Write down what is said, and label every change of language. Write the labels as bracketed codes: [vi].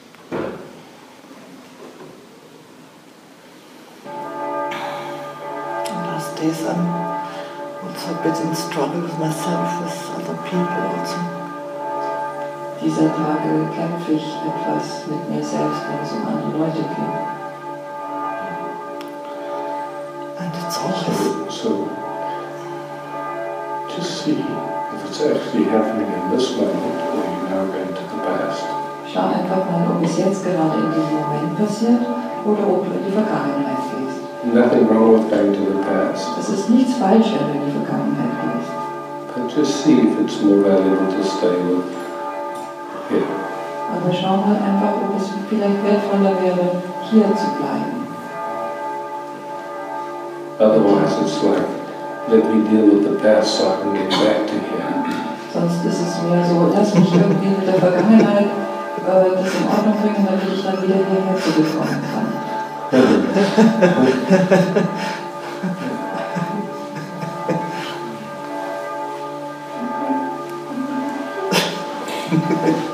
[de] Und aus diesem, also ein bisschen [en] struggle with myself, with other people also. [de] Dieser Tage kämpfe ich etwas mit mir selbst, wenn es um andere Leute geht. [en] And it's so, just see if it's actually happening in this moment or you're now going to the past. [de] Schau einfach mal, ob es jetzt gerade in diesem Moment passiert oder ob du in die Vergangenheit gehst. [en] Nothing wrong with going to the past. [de] Es ist nichts falsch, wenn du in die Vergangenheit gehst. [en] But just see if it's more valuable to stay with. [de] Aber schau mal einfach, ob es vielleicht wertvoller wäre, hier zu bleiben. [en] Otherwise it's like, let me deal with the past so I can get back to here. [de] Sonst ist es mehr so, lass mich irgendwie mit der Vergangenheit das in Ordnung bringen, damit ich dann wieder hierher zurückkommen kann. [en] Thank you.